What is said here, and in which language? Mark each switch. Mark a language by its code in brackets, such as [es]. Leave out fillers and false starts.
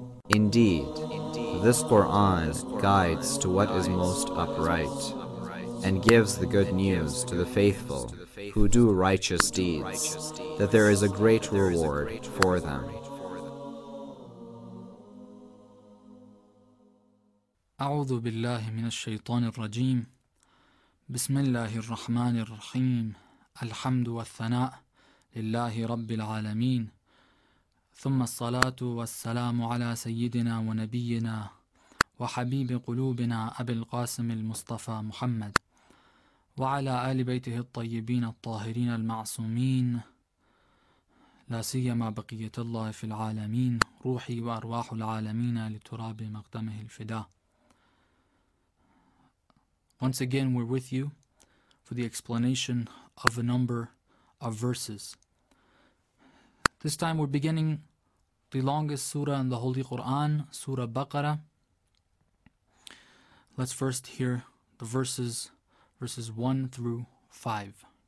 [en] Indeed, this Quran guides to what is most upright and gives the good news to the faithful who do righteous deeds, that there is a great reward for them. [ar] أعوذ بالله من الشيطان الرجيم بسم الله الرحمن الرحيم الحمد والثناء لله رب العالمين ثم الصلاة والسلام على سيدنا ونبينا وحبيب قلوبنا أبي القاسم المصطفى محمد وعلى آل بيته الطيبين الطاهرين المعصومين لا سيما بقية الله في العالمين روحي وأرواح العالمين لتراب مقدمه الفداء. [en] Once again, we're with you for the explanation of a number of verses. This time we're beginning the longest surah in the Holy Quran, Surah Baqarah. Let's first hear the verses 1 through 5.